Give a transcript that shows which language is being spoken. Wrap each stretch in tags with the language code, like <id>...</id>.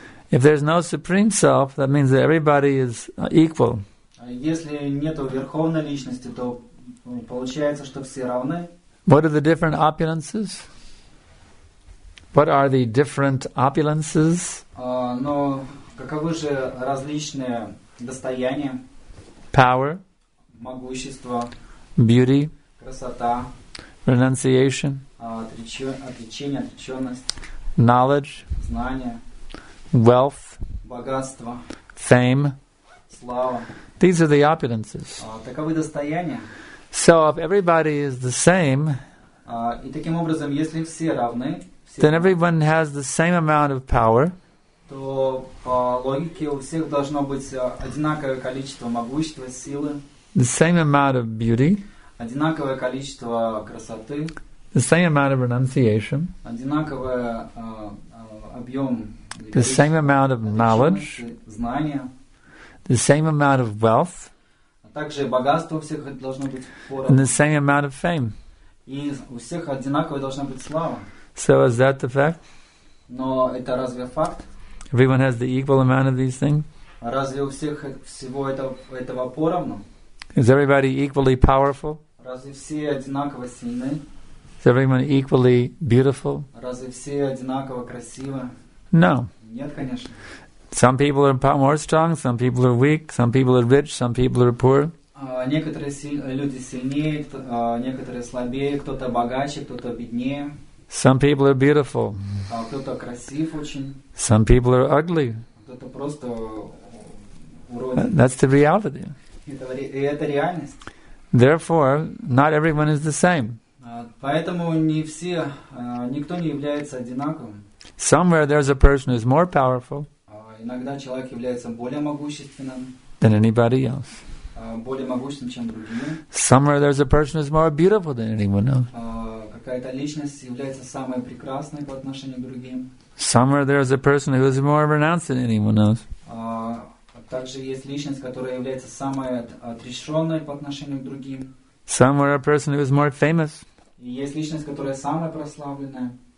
<en>If there's no Supreme Self, that means that everybody is equal.</en> <ru>Если нету верховной личности, то получается, что все равны.</ru> <en>What are the different opulences? What are the different opulences?</en> <ru>Но каковы же различные достояния?</ru> <en>Power.</en> <ru>Могущество.</ru> <en>Beauty.</en> <ru>Красота.</ru> <en>Renunciation.</en> <ru>Отречение, отреченность.</ru> <en>Knowledge.</en> <ru>Знание.</ru> <en>wealth,</en> <ru>богатство,</ru> <en>fame,</en> <ru>слава.</ru> <en>These are the opulences.</en> <ru>Таковы достояния.</ru> <en>So if everybody is the same,</en> <ru>и таким образом, если все равны,</ru> <en>then everyone has the same amount of power.</en> <ru>То по логике у всех должно быть одинаковое количество могущества, силы.</ru> <en>The same amount of beauty.</en> <ru>Одинаковое количество красоты.</ru> <en>The same amount of renunciation.</en> <ru>Одинаковое объем.</ru> <en>The same amount of knowledge.</en> <ru>Знания.</ru> <en>The same amount of wealth.</en> <ru>Также богатство у всех должно быть поровну.</ru> <en>And the same amount of fame.</en> <ru>И у всех одинаковая должна быть слава.</ru> <en>So is that the fact?</en> <ru>Но это разве факт?</ru> <en>Everyone has the equal amount of these things.</en> <ru>Разве у всех всего этого поровну?</ru> <en>Is everybody equally powerful?</en> <ru>Разве все одинаково сильны?</ru> <en>Is everyone equally beautiful?</en> <ru>Разве все одинаково красивы?</ru> <en>No.</en> <ru>Нет, конечно.</ru> <en>Some people are more strong, some people are weak, some people are rich, some people are poor.</en> <ru>Некоторые люди сильнее, некоторые слабее, кто-то богаче, кто-то беднее.</ru> <en>Some people are beautiful.</en> <ru>Кто-то красив очень.</ru> <en>Some people are ugly.</en> <ru>Кто-то просто уродливый.</ru> <en>That's the reality.</en> <ru>Это реальность.</ru> <en>Therefore, not everyone is the same.</en> <ru>Поэтому не все, никто не является одинаковым.</ru> <en>Somewhere there's a person who is more powerful.</en> <ru>Иногда человек является более могущественным.</ru> <en>Than anybody else.</en> <ru>Более могущественным, чем другие.</ru> <en>Somewhere there's a person who is more beautiful than anyone else.</en> <ru>Какая-то личность является самой прекрасной по отношению к другим.</ru> <en>Somewhere there's a person who is more renounced than anyone else.</en> <ru>Также есть личность, которая является самой отрешенной по отношению к другим.</ru> <en>Somewhere a person who is more famous.</en> <ru>И есть личность, которая самая прославленная.</ru>